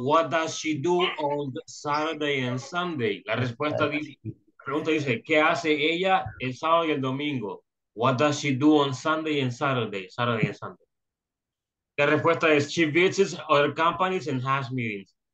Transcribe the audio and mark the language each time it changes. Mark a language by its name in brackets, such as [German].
[English] What does she do on Saturday and Sunday? [Spanish] La respuesta dice, pregunta dice, ¿qué hace ella el sábado y el domingo? [English] What does she do on Sunday and Saturday? Saturday and Sunday. [Spanish] La respuesta es, [English] she visits other companies and has meetings.